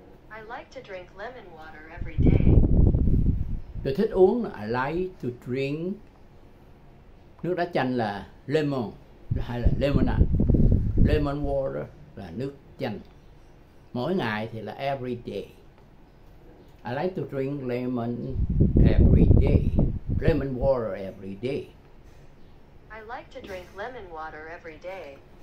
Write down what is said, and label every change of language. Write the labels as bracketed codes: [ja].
[en] I like to drink lemon water every day. [vi] Tôi thích uống. [en] I like to drink [vi] nước đá chanh là [en] lemon, [vi] hay là [en] lemonade. Lemon water [vi] là nước chanh. Mỗi ngày thì là [en] every day. I like to drink lemon every day. Lemon water every day. I like to drink lemon water every day.